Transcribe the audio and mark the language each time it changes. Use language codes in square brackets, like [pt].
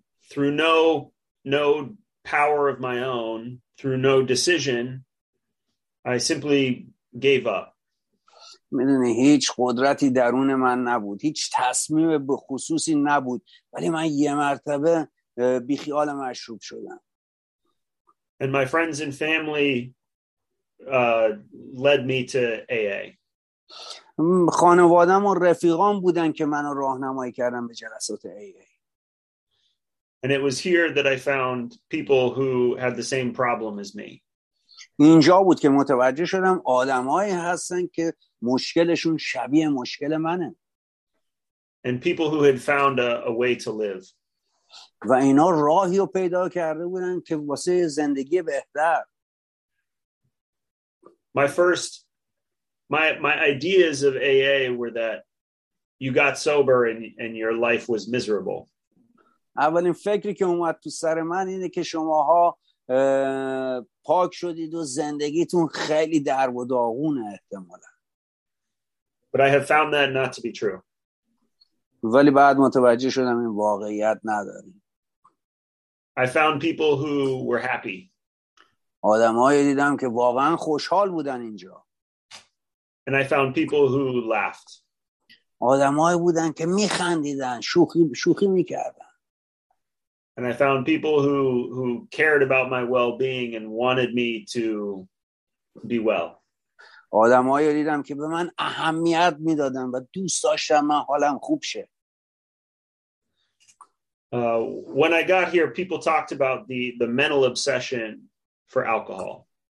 [en] Through no power of my own, through no decision, I simply gave up. [fa] میدونی هیچ قدرتی درون من نبود، هیچ تصمیم به خصوصی نبود، ولی من یه مرتبه بیخیال مشروب شدم. [en] And my friends and family led me to AA. [fa] خانوادم و رفیقام بودن که منو راهنمایی کردن به جلسات AA. [en] And it was here that I found people who had the same problem as me. [fa] اینجا بود که متوجه شدم آدمایی هستن که مشکلشون شبیه مشکل منه. [en] And people who had found a way to live. [fa] و اینا راهی رو پیدا کرده بودن که واسه زندگی بهتر. [en] My ideas of AA were that you got sober and your life was miserable. [fa] اولین فکری که اومد تو سر من اینه که شماها پاک شدید و زندگیتون خیلی درب و داغونه احتمالاً. [en] But I have found that not to be true. [fa] ولی بعد متوجه شدم این واقعیت نداره. [en] I found people who were happy. [fa] آدمایی دیدم که واقعاً خوشحال بودن اینجا. [en] And I found people who laughed. [fa] آدمایی بودن که می‌خندیدن، شوخی می‌کردن. [en] And I found people who cared about my well-being and wanted me to be well. [fa] آدمایی رو دیدم که به من اهمیت میدادن و دوست داشتن من حالم خوب شه. [en] When I got here, people talked about the mental obsession for alcohol.